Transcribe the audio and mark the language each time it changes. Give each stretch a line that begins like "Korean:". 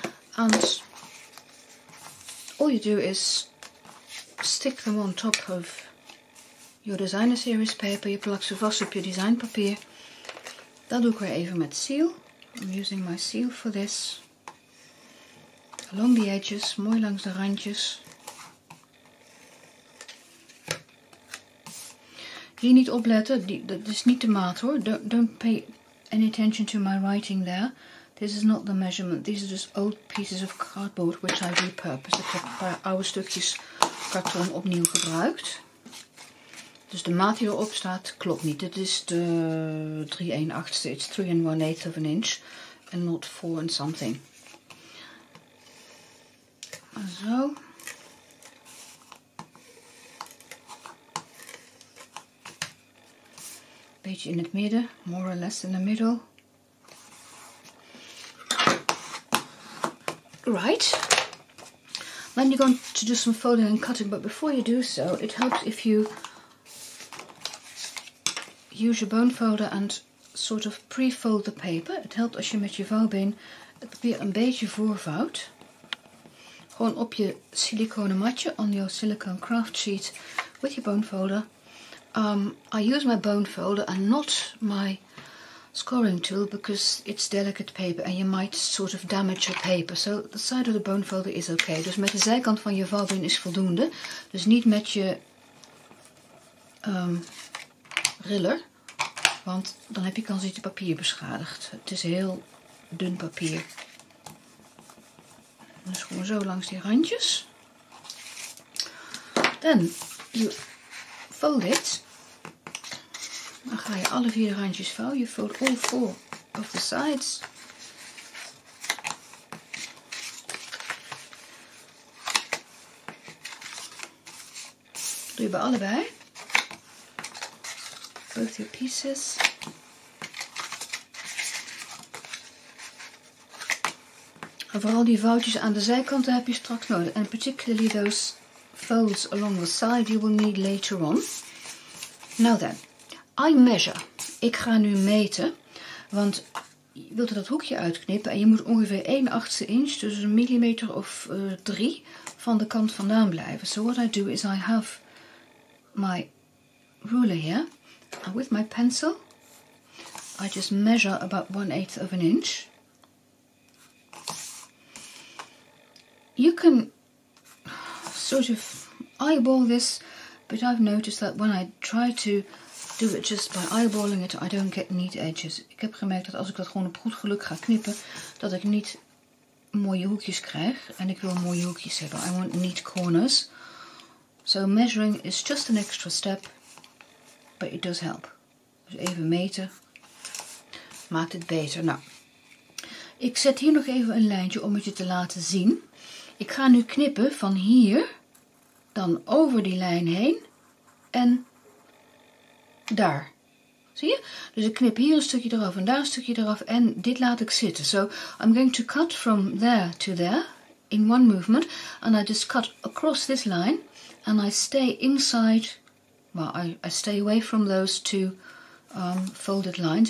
English: And all you do is stick them on top of your designer series paper.
Dutch: Je plakt ze vast op je designpapier. Dat doe ik weer even met Seal.
English: I'm using my Seal for this. Along the edges,
Dutch: mooi langs de randjes. Hier niet opletten, dat is niet de maat hoor.
English: Don't pay any attention to my writing there. This is not the measurement. These are just old pieces of cardboard which I repurposed.
Dutch: Ik heb een paar oude stukjes karton opnieuw gebruikt. Dus de maat die erop staat klopt niet. Dit is de
English: 3/1/8, it's 3 1/8 of an inch. And not 4 and something.
Dutch: Zo. Beetje in het midden,
English: more or less in the middle. Right. Then you're going to do some folding and cutting, but before you do so, it helps if you use your bone folder and sort of pre-fold the paper.
Dutch: Het helpt als je met je vouwbeen het papier een beetje voorvouwt. Gewoon op je siliconen matje,
English: on your silicone craft sheet, with your bone folder. I use my bone folder and not my scoring tool because it's delicate paper and you might sort of damage your paper. So the side of the bone folder is okay.
Dutch: Dus met de zijkant van je vouwbeen is voldoende. Dus niet met je riller, want dan heb je kans dat je papier beschadigt. Het is heel dun papier. Dus gewoon zo langs die randjes.
English: Then you fold it.
Dutch: Dan ga je alle vier randjes vouwen.
English: You fold all four of the sides.
Dutch: Doe je bij allebei.
English: Both your pieces.
Dutch: En vooral die vouwtjes aan de zijkanten heb je straks nodig.
English: And particularly those folds along the side you will need later on. Now then. I measure.
Dutch: Ik ga nu meten, want je wilt dat hoekje uitknippen en je moet ongeveer 1/8 inch, dus een millimeter of 3, van de kant vandaan blijven.
English: So what I do is I have my ruler here, and with my pencil, I just measure about 1/8 of an inch. You can sort of eyeball this, but I've noticed that when I try to do it just by eyeballing it, I don't get neat edges.
Dutch: Ik heb gemerkt dat als ik dat gewoon op goed geluk ga knippen, dat ik niet mooie hoekjes krijg. En ik wil mooie hoekjes hebben.
English: I want neat corners. So measuring is just an extra step, but it does help.
Dutch: Dus even meten maakt het beter. Nou, ik zet hier nog even een lijntje om het je te laten zien. Ik ga nu knippen van hier, dan over die lijn heen en daar. Zie je? Dus ik knip hier een stukje eraf en daar een stukje eraf en dit laat ik zitten.
English: So I'm going to cut from there to there in one movement. And I just cut across this line and I stay inside, well, I stay away from those two folded lines.